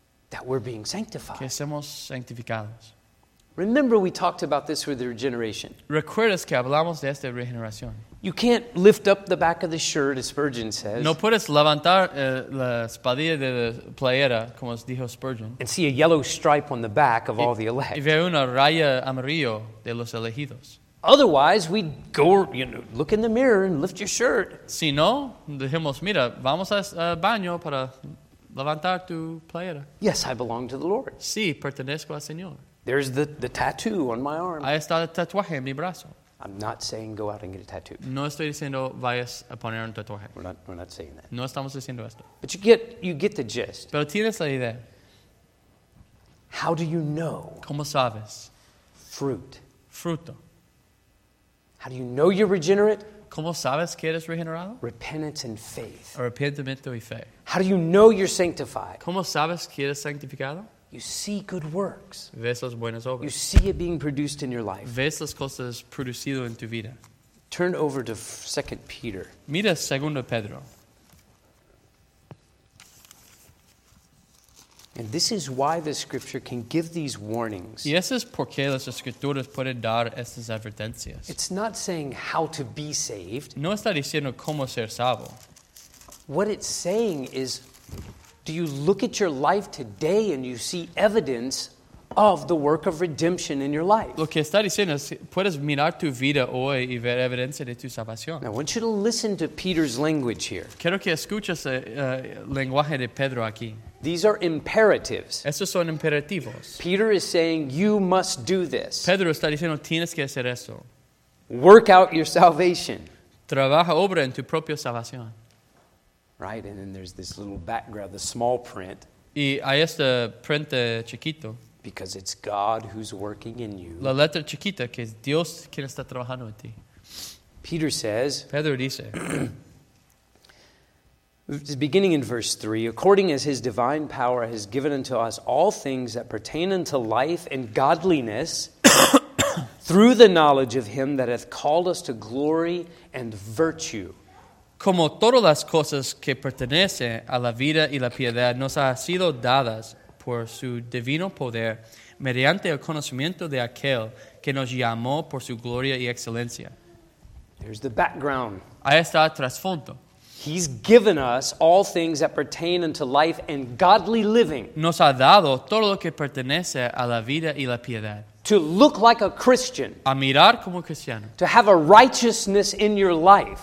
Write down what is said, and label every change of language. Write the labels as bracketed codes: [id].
[en] That we're being sanctified. [es] Que somos sanctificados. [en] Remember we talked about this with the regeneration. [es] ¿Recuerdas que hablamos de esta regeneración? [en] You can't lift up the back of the shirt, as Spurgeon says. [es] No puedes levantar la espadilla de la playera, como dijo Spurgeon. [en] And see a yellow stripe on the back of all the elect. [es] Y ver una raya amarillo de los elegidos. [en] Otherwise, we'd go, you know, look in the mirror and lift your shirt. [es] Si no, dijimos, mira, vamos al baño para levantar tu playera. [en] Yes, I belong to the Lord. [es] Sí, pertenezco al Señor. [en] There's the tattoo on my arm. [es] Ahí está el tatuaje en mi brazo. [en] I'm not saying go out and get a tattoo. [es] No estoy diciendo vayas a poner un tatuaje. [en] We're not saying that. [es] No estamos diciendo esto. [en] But you get the gist. [es] Pero tienes la idea. [en] How do you know? [es] ¿Cómo sabes? [en] Fruit. [es] Fruto. [en] How do you know you're regenerate? [es] ¿Cómo sabes que eres regenerado? [en] Repentance and faith. [es] Arrepentimiento y fe. [en] How do you know you're sanctified? [es] ¿Cómo sabes que eres santificado? [en] You see good works. [es] Ves las buenas obras. [en] You see it being produced in your life. [es] Ves las cosas producido en tu vida. [en] Turn over to 2 Peter. [es] Mira 2 Pedro. [en] And this is why the scripture can give these warnings. [es] Y eso es porque las escrituras pueden dar estas advertencias. [en] It's not saying how to be saved. [es] No está diciendo cómo ser salvo. [en] What it's saying is, do you look at your life today and you see evidence of the work of redemption in your life? [es] Lo que está diciendo es, puedes mirar tu vida hoy y ver evidencia de tu salvación. [en] Now, I want you to listen to Peter's language here. [es] Quiero que escuches el lenguaje de Pedro aquí. [en] These are imperatives. [es] Estos son imperativos. [en] Peter is saying, you must do this. [es] Pedro está diciendo, tienes que hacer esto. [en] Work out your salvation. [es] Trabaja, obra en tu propia salvación. [en] Right, and then there's this little background, the small print. [es] Y hay esta prenta chiquito. [en] Because it's God who's working in you. [es] La letra chiquita, que es Dios quien está trabajando en ti. [en] Peter says, [es] Pedro dice, [en] beginning in verse 3, according as his divine power has given unto us all things that pertain unto life and godliness, through the knowledge of him that hath called us to glory and virtue. [es] Como todas las cosas que pertenecen a la vida y la piedad nos han sido dadas por su divino poder mediante el conocimiento de aquel que nos llamó por su gloria y excelencia. [en] There's the background. [es] Ahí está el trasfondo. [en] He's given us all things that pertain unto life and godly living. [es] Nos ha dado todo lo que pertenece a la vida y la piedad. [en] To look like a Christian. [es] A mirar como cristiano. [en] To have a righteousness in your life.